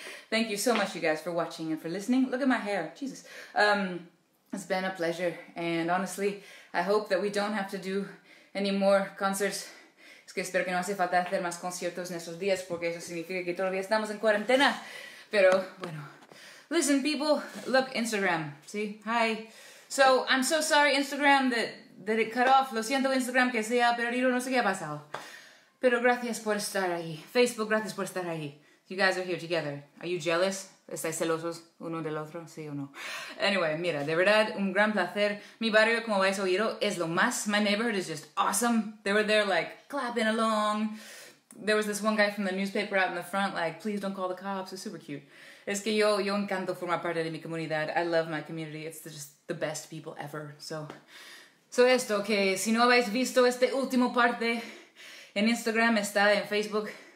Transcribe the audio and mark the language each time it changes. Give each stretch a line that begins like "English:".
English: Thank you so much, you guys, for watching and for listening. Look at my hair, Jesus. It's been a pleasure, and honestly, I hope that we don't have to do any more concerts.
Spanish: Es que espero que no hace falta hacer más conciertos en estos días porque eso significa que todavía estamos en cuarentena. Pero, bueno.
English: Listen, people. Look, Instagram.
Spanish: ¿Sí?
English: Hi. So, I'm so sorry, Instagram, that it cut off.
Spanish: Lo siento, Instagram, que sea perdido. No sé qué ha pasado. Pero gracias por estar ahí. Facebook, gracias por estar ahí.
English: You guys are here together. Are you jealous?
Spanish: ¿Estáis celosos uno del otro? ¿Sí o no?
English: Anyway,
Spanish: mira, de verdad, un gran placer. Mi barrio, como habéis oído, es lo más.
English: My neighborhood is just awesome. They were there, like, clapping along, there was this one guy from the newspaper out in the front, like, please don't call the cops, it's super cute.
Spanish: Es que yo encanto formar parte de mi comunidad.
English: I love my community, it's just the best people ever.
Spanish: So esto, que si no habéis visto este último parte en Instagram, está en Facebook.